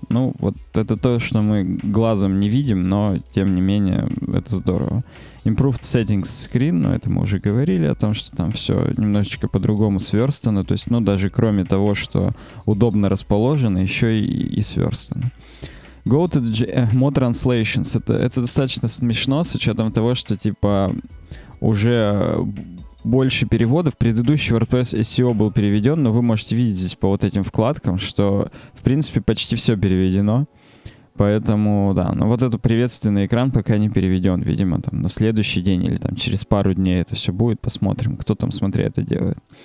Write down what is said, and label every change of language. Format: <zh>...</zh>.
<ru>Ну, вот это то, что мы глазом не видим, но, тем не менее, это здорово. Improved Settings Screen, ну, это мы уже говорили о том, что там все немножечко по-другому сверстано. То есть, ну, даже кроме того, что удобно расположено, еще и сверстано.</ru> <en>Go to the more translations.</en> <ru>Это достаточно смешно с учетом того, что типа уже больше переводов. Предыдущий WordPress SEO был переведен, но вы можете видеть здесь по вот этим вкладкам, что в принципе почти все переведено. Поэтому, да, но вот этот приветственный экран пока не переведен, видимо, там на следующий день или там через пару дней это все будет, посмотрим, кто там, смотря, это делает.</ru>